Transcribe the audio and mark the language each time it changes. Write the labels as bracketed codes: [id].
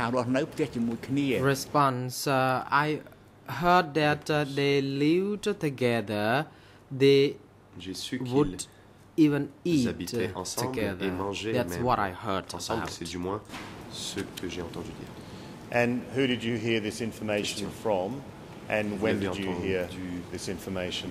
[en] Response, I heard that they lived together, they would even eat together. That's what I heard [fr] ensemble, [en] about. [fr] C'est du moins ce que j'ai entendu dire. [en] And who did you hear this information from, and when did you hear this information?